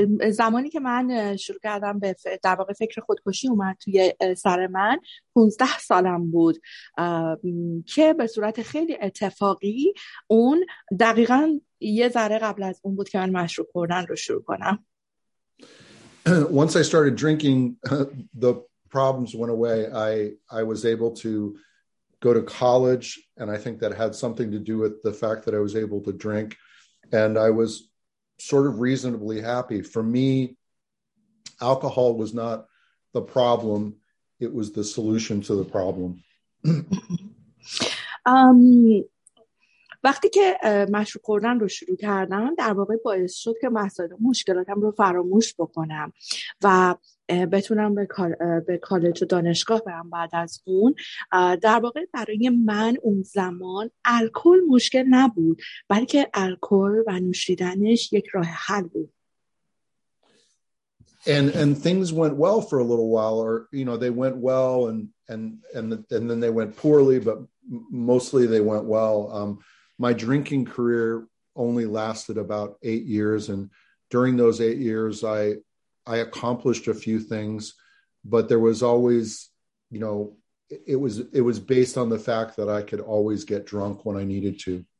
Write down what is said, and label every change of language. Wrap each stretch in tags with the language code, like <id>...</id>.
<fa>زمانی که من شروع کردم به در واقع فکر خودکشی اومد توی سر من 15 سالم بود، که به صورت خیلی اتفاقی اون دقیقا یه ذره قبل از اون بود که من مشروب خوردن رو شروع کنم.</fa> <en>Once I started drinking, the problems went away. I was able to go to college, and I think that had something to do with the fact that I was able to drink, and I was sort of reasonably happy. For me, alcohol was not the problem, it was the solution to the problem.</en> <fa>وقتی که مشروب خوردن رو شروع کردم، در واقع باعث شد که مسائل و مشکلاتم رو فراموش بکنم و بتونم به کالج و دانشگاه برم. بعد از اون در واقع برای من اون زمان الکل مشکل نبود، بلکه الکل و نوشیدنش یک راه حل بود.</fa> <en>And things went well for a little while, or you know, they went well and then they went poorly, but mostly they went well. My drinking career only lasted about 8 years, and during those 8 years, I accomplished a few things, but there was always, you know, it was based on the fact that I could always get drunk when I needed to.</en>